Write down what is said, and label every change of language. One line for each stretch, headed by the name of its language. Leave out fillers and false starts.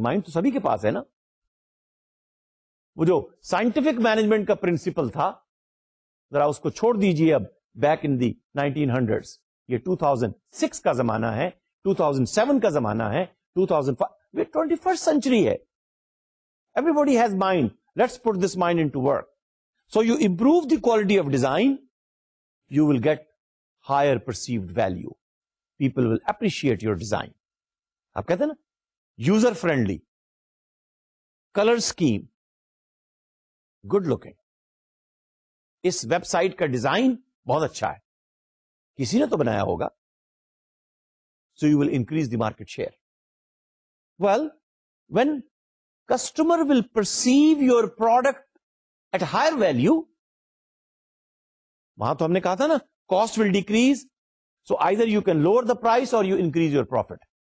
Urdu: Mind تو سبھی کے پاس ہے نا. وہ جو سائنٹیفک مینجمنٹ کا پرنسپل تھا, ذرا اس کو چھوڑ دیجیے اب,
English: back in the 1900s,
Urdu: 2006 کا زمانہ ہے, 2007 کا زمانہ ہے, 2005, 21st century ہے.
English: Everybody has mind, let's put this mind into work. So you improve the quality of design, you will get higher perceived value, people will appreciate your design.
Urdu: آپ کہتے ہیں نا user friendly, color scheme, good looking, اس web site کا design بہت اچھا ہے, کسی نے تو بنایا ہوگا.
English: So you will increase the market share. Well when customer will perceive your product at higher value,
Urdu: وہاں تو ہم نے کہا تھا نا
English: Cost will decrease, so either you can lower the price اور you increase your profit.